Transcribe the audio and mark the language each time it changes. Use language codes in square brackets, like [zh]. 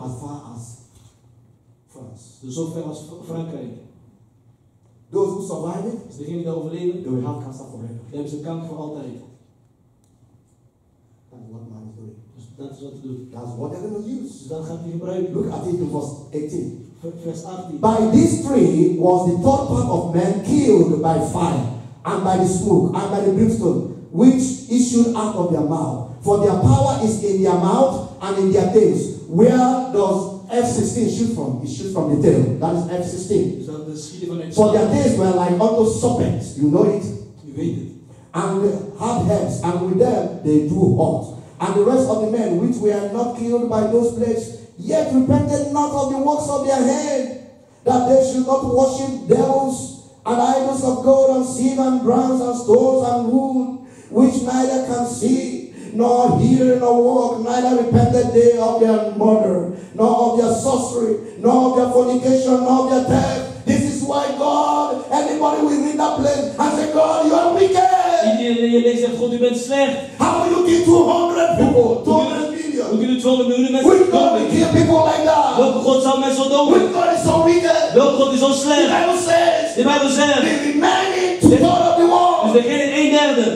[en] As far as France. [nl] Dus zo ver als Frankrijk. [en] Those who survive it. [nl] Dus degenen die overleven. [en] They will have cancer forever. [nl] Die hebben ze kanker voor altijd. [en] What man is doing. [nl] Dus dat is wat ze doen. [en] That's what they're going to use. [nl] Dus dat gaat hij gebruiken. [en] Look at it in verse 18. [nl] Vers 18. [en] By this tree was the third part of man killed by fire, and by the smoke, and by the brimstone, which issued out of their mouth. For their power is in their mouth and in their tails. Where does F-16 shoot from? It shoots from the tail. That is F-16. Is that the skill of an X-16? For their tails were like unto serpents. You know it? You read it. And have heads, and with them they do hurt. And the rest of the men which were not killed by those plagues, yet repented not of the works of their hand, that they should not worship devils and idols of gold and silver and bronze and stones and wood, which neither can see nor hear nor walk, neither repented they of their murder, nor of their sorcery, nor of their fornication, nor of their theft. This is why God, anybody who is in that place, and say, God, you are wicked. [nl] Iedereen zegt, God, u bent slecht. [en] How can you give 200 people? 200 million. [nl] Hoe kunnen 200 miljoen mensen? [en] Which God will kill people like that? [nl] Welke God zou mensen doden? [en] Which God is so wicked? [nl] Welke God is zo slecht? [en] The Bible says. [nl] De Bijbel zegt. [en] The remaining two-thirds of the world. [nl] Dus degene in 1/3.